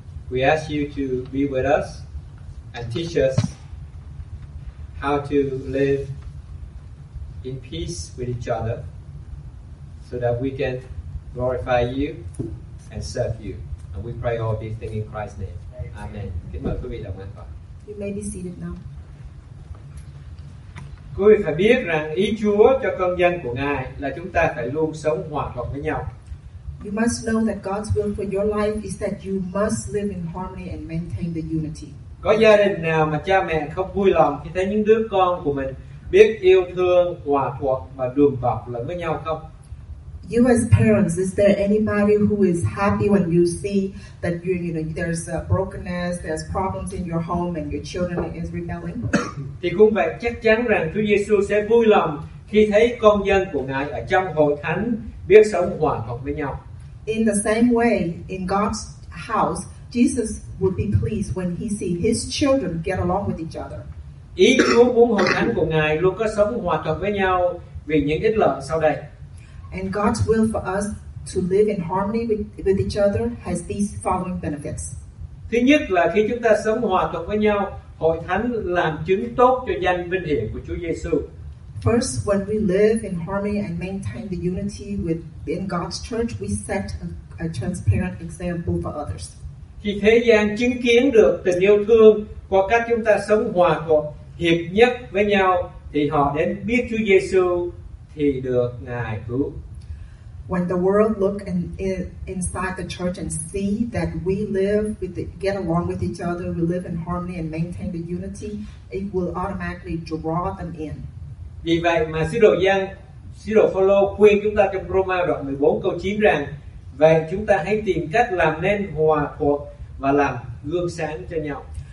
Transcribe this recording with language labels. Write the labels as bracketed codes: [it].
[en] We ask you to be with us and teach us how to live in peace with each other so that we can glorify you and serve you. And we pray all these things in Christ's name. Amen. [vi] Kính mời quý vị đồng ăn phần. [en] You may be seated now. [vi] Quý vị phải biết rằng ý Chúa cho con dân của Ngài là chúng ta phải luôn sống hòa thuận với nhau. [en] You must know that God's will for your life is that you must live in harmony and maintain the unity. [vi] Có gia đình nào mà cha mẹ không vui lòng khi thấy những đứa con của mình biết yêu thương, hòa thuận và đùm bọc lẫn với nhau không? [en] You as parents, is there anybody who is happy when you see that you know there's a brokenness, there's problems in your home and your children is rebelling? [vi] Thì cũng vậy, chắc chắn rằng Chúa Giêsu sẽ vui lòng khi thấy con dân của Ngài ở trong hội thánh biết sống hòa thuận với nhau. [en] In the same way, in God's house, Jesus would be pleased when he see his children get along with each other. [vi] Ý Chúa muốn hội thánh của Ngài luôn có sống hòa thuận với nhau vì những ích lợi sau đây. [en] And God's will for us to live in harmony with each other has these following benefits. [vi] Thứ nhất là khi chúng ta sống hòa thuận với nhau, hội thánh làm chứng tốt cho danh vinh hiển của Chúa Giêsu. [en] First, when we live in harmony and maintain the unity within God's church, we set a transparent example for others. [vi] Khi thế gian chứng kiến được tình yêu thương qua cách chúng ta sống hòa thuận, hiệp nhất với nhau, thì họ đến biết Chúa Giêsu thì được Ngài cứu. [en] When the world look inside the church and see that we live with get along with each other, we live in harmony and maintain the unity, it will automatically draw them in. [vi] Vì vậy mà sứ đồ Phaolô khuyên chúng ta trong Roma đoạn 14 câu 9 rằng: vậy chúng ta hãy tìm cách làm nên hòa thuận và làm gương sáng cho nhau.